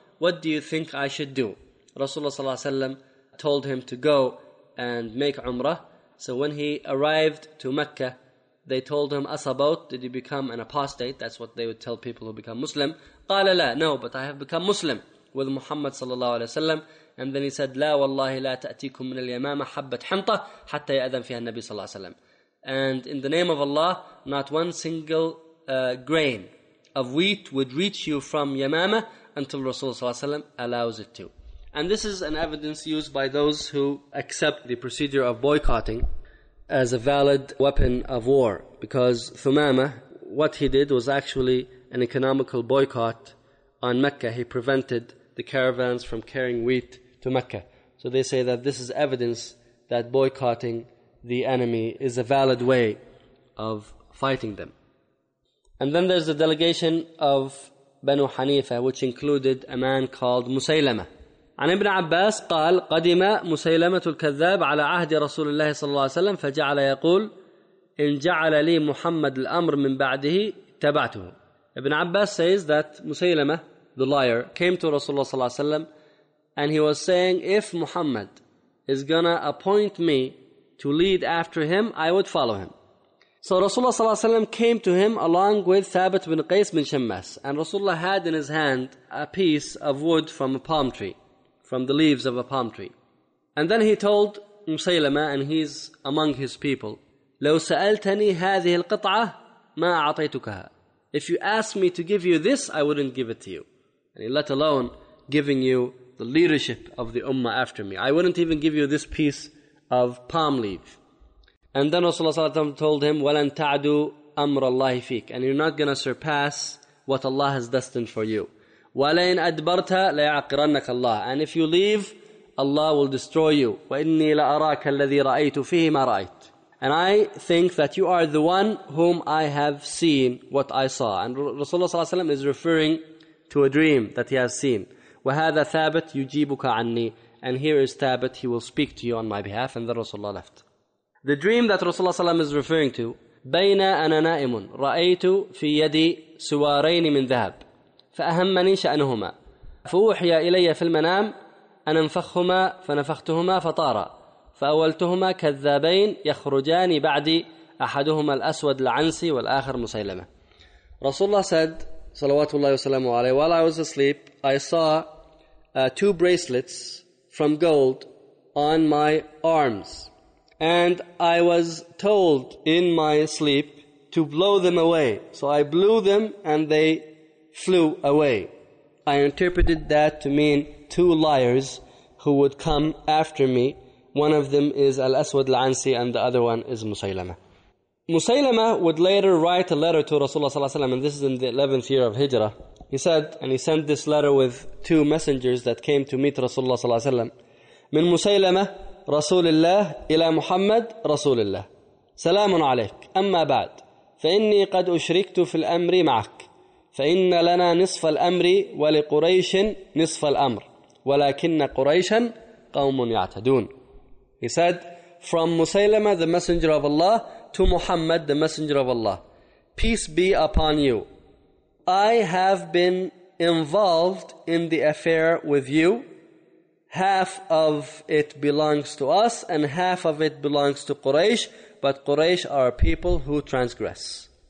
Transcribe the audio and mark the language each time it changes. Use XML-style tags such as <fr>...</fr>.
<en>What do you think I should do? Rasulullah صلى الله عليه وسلم told him to go and make Umrah. So when he arrived to Mecca, they told him, "Asabot, did you become an apostate?" That's what they would tell people who become Muslim.</en> <ar>قال لا,</ar> <en>no, but I have become Muslim with Muhammad صلى الله عليه وسلم. And then he said,</en> <ar>لا والله لا تأتيكم من اليمامة حبة حنطة حتى يأذن فيها النبي صلى الله عليه وسلم.</ar> <en>And in the name of Allah, not one single grain of wheat would reach you from Yamama until Rasulullah صلى الله عليه وسلم allows it to. And this is an evidence used by those who accept the procedure of boycotting as a valid weapon of war. Because Thumama, what he did was actually an economical boycott on Mecca. He prevented the caravans from carrying wheat to Mecca. So they say that this is evidence that boycotting the enemy is a valid way of fighting them. And then there's a delegation of Banu Hanifa, which included a man called Musaylama.</en> <ar>عن ابن عباس قال قدم مسيلمة الكذاب على عهد رسول الله صلى الله عليه وسلم فجعل يقول إن جعل لي محمد الأمر من بعده تبعته.</ar> <en>Ibn Abbas says that Musaylama, the liar, came to Rasulullah صلى الله عليه وسلم and he was saying, "If Muhammad is gonna appoint me to lead after him, I would follow him." So Rasulullah صلى الله عليه وسلم came to him along with Thabit bin Qais bin Shammas, and Rasulullah had in his hand a piece of wood from a palm tree, from the leaves of a palm tree. And then he told Musaylama, and he's among his people,</en> <ar>لو سألتني هذه القطعة ما أعطيتكها.</ar> <en>If you ask me to give you this, I wouldn't give it to you. And let alone giving you the leadership of the ummah after me. I wouldn't even give you this piece of palm leaf. And then Rasulullah صلى الله عليه وسلم told him,</en> <ar>وَلَن تَعْدُوا أَمْرَ اللَّهِ فِيكَ.</ar> <en>And you're not going to surpass what Allah has destined for you.</en> <ar>وَلَيْنْ أَدْبَرْتَ لَيَعْقِرَنَّكَ اللَّهِ.</ar> <en>And if you leave, Allah will destroy you.</en> <ar>وَإِنِّي لَأَرَاكَ الَّذِي رَأَيْتُ فِيهِ مَا رَأَيْتُ.</ar> <en>And I think that you are the one whom I have seen what I saw. And Rasulullah صلى الله عليه وسلم is referring to a dream that he has seen.</en> <ar>وَهَذَا ثَابَتْ يُجِيبُكَ عَنِّي.</ar> <en>And here is ثَابَتْ, he will speak to you on my behalf. And then Rasulullah left. The dream that Rasulullah صلى الله عليه وسلم is referring to,</en> <ar>بَيْنَا أَنَا نَائِمٌ رَأَيْتُ فِي يَدِي سُوَارَيْنِ مِنْ ذَهَبٍ فَأَهَمَّنِي شَأْنُهُمَا فَأُوحِيَ إِلَيَّ فِي الْمَنَامِ أَنْ أَنْفَخْهُمَا فَنَفَخْتُهُمَا فَطَارَا فَأَوَّلْتُهُمَا كَذَّابَيْنِ يَخْرُجَانِ بَعْدِي أَحَدُهُمَا الْأَسْوَدُ الْعَنْسِي وَالْآخَرُ مُسَيْلَمَةٌ.</ar> <en>Rasulullah said, صلوات الله وسلامه عليه, while I was asleep, I saw two bracelets from gold on my arms. And I was told in my sleep to blow them away. So I blew them and they flew away. I interpreted that to mean two liars who would come after me. One of them is Al-Aswad Al-Ansi and the other one is Musaylama. Musaylama would later write a letter to Rasulullah Sallallahu Alaihi Wasallam, and this is in the 11th year of Hijrah. He said, and he sent this letter with two messengers that came to meet Rasulullah Sallallahu Alaihi Wasallam.</en> <ar>من مسيلمة رسول الله إلى محمد رسول الله سلام عليك أما بعد فإني قد أشركت في الأمر معك فإن لنا نصف الأمر ولقريش نصف الأمر ولكن قريشا قوم يعتدون.</ar> <en>He said, from Musaylama, the messenger of Allah, to Muhammad, the messenger of Allah, peace be upon you. I have been involved in the affair with you. Half of it belongs to us and half of it belongs to Quraysh, but Quraysh are people who transgress.</en>